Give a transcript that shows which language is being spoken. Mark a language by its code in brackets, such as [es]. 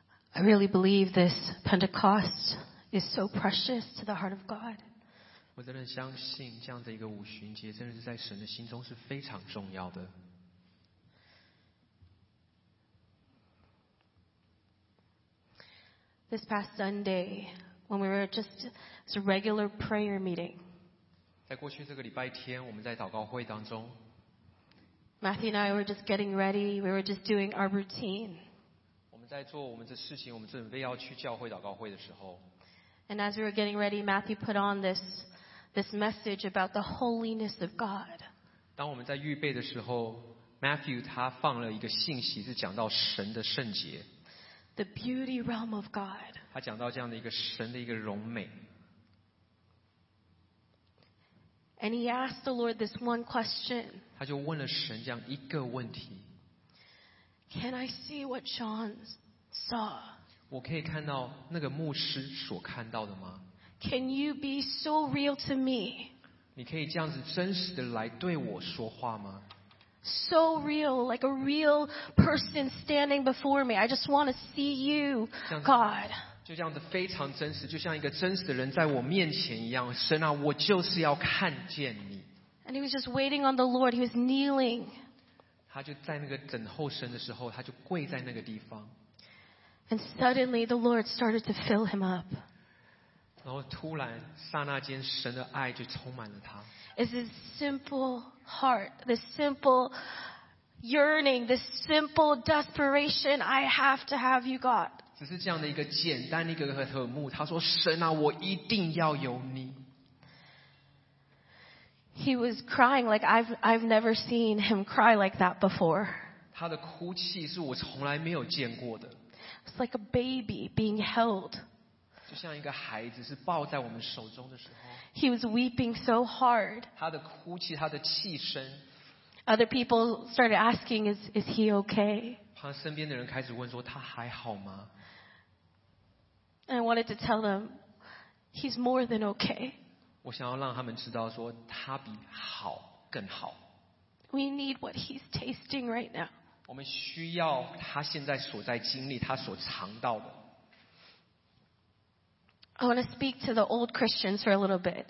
[en] I really believe this Pentecost is so precious to the heart of God. [zh] 我真的相信这样的一个五旬节真的是在神的心中是非常重要的。 [en] This past Sunday, when we were just it's a regular prayer meeting, [zh] 在过去这个礼拜天我们在祷告会当中 [en] Matthew and I were just getting ready, we were just doing our routine. [zh] 我们在做我们的事情，我们准备要去教会祷告会的时候 [en] And as we were getting ready, Matthew put on this message about the holiness of God. [zh] 当我们在预备的时候 ，Matthew 他放了一个信息，是讲到神的圣洁。 [en] The beauty realm of God. [zh] 他讲到这样的一个神的一个荣美。 [en] And he asked the Lord this one question. [zh] 他就问了神这样一个问题。 [en] Can I see what John saw? [zh] 我可以看到那个牧师所看到的吗？ [en] Can you be so real to me? [zh] 你可以这样子真实的来对我说话吗？ [en] So real, like a real person standing before me. I just want to see you, God. [zh] 就这样子非常真实，就像一个真实的人在我面前一样。神啊，我就是要看见你。 [en] And he was just waiting on the Lord. He was kneeling. [zh] 他就在那个等候神的时候，他就跪在那个地方。 [en] And suddenly the Lord started to fill him up. [zh] 然后突然，刹那间，神的爱就充满了他。 [en] It's this simple heart, this simple yearning, this simple desperation. I have to have you, God. [zh] 只是这样的一个简单的一个渴慕，他说：“神啊，我一定要有你。” [en] He was crying like I've never seen him cry like that before. [zh] 他的哭泣是我从来没有见过的。 [en] It's like a baby being held. [zh] 就像一个孩子是抱在我们手中的时候。 [en] He was weeping so hard. [zh] 他的哭泣，他的泣声。 [en] Other people started asking, "Is he okay?" [zh] 他身边的人开始问说：“他还好吗？” [en] I wanted to tell them, "He's more than okay." [zh] 我想要让他们知道说，他比好更好。 [en] We need what he's tasting right now. [zh] 我们需要他现在所在经历，他所尝到的。 [en] I want to speak to the old Christians for a little bit.